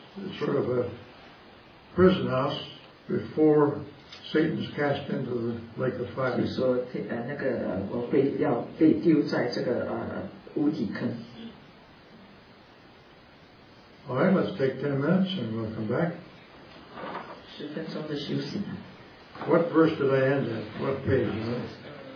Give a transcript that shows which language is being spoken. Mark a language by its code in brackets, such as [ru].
[en] It's sort of a prison house before Satan's cast into the lake of fire. [zh] 就说那个我被要被丢在这个无底坑。 [en] All right, let's take 10 minutes and we'll come back. [zh] 十分钟的休息。 [en] What verse did I end at? What page?